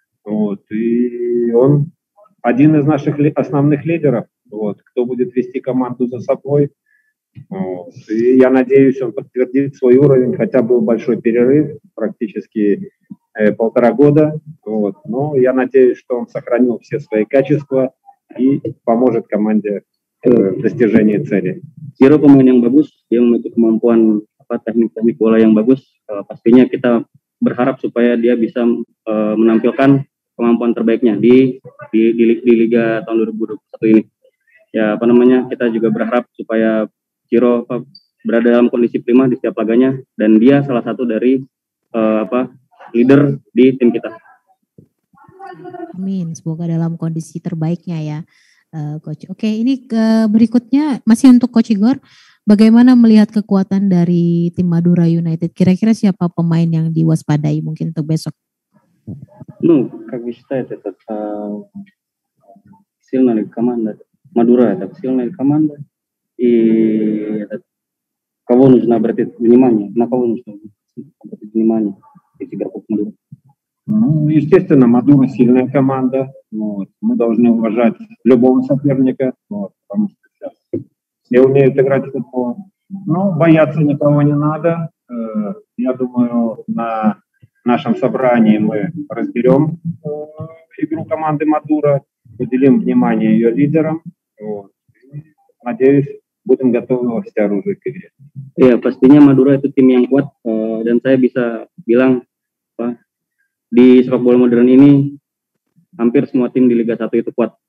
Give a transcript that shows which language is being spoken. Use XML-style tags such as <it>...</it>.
<ru>Вот, и он один из наших основных лидеров, вот, кто будет вести команду за собой. Вот. И я надеюсь, он подтвердит свой уровень, хотя был большой перерыв, практически полтора года. Вот. Но я надеюсь, что он сохранил все свои качества и поможет команде в достижении цели.</ru> <id>Ciro pemain yang bagus, dia memiliki kemampuan teknik-teknik bola yang bagus. Pastinya kita berharap supaya dia bisa menampilkan kemampuan terbaiknya di Liga tahun 2021 ini. Ya, apa namanya, kita juga berharap supaya Ciro berada dalam kondisi prima di setiap laganya, dan dia salah satu dari leader di tim kita. Amin, semoga dalam kondisi terbaiknya ya, coach. Oke, ini ke berikutnya masih untuk coach Igor. Bagaimana melihat kekuatan dari tim Madura United? Kira-kira siapa pemain yang diwaspadai mungkin untuk besok?</id> <ru>Как вы считаете, сильная ли команда Madura? Так сильная ли команда? И кого нужно обратить внимание? На кого нужно обратить внимание из игроков Мадуры? Естественно, Мадура сильная команда. Вот. Мы должны уважать любого соперника, вот, потому что сейчас все умеют играть в футбол. Но бояться никого не надо. Я думаю, на нашем собрании мы разберем игру команды Мадура, уделим внимание ее лидерам. Вот. Надеюсь, будем готовы во все оружие к игре.</ru> <id>Ya, pastinya Madura itu tim yang kuat, dan saya bisa bilang di sepak bola modern ini hampir semua tim di Liga 1 itu kuat.</id>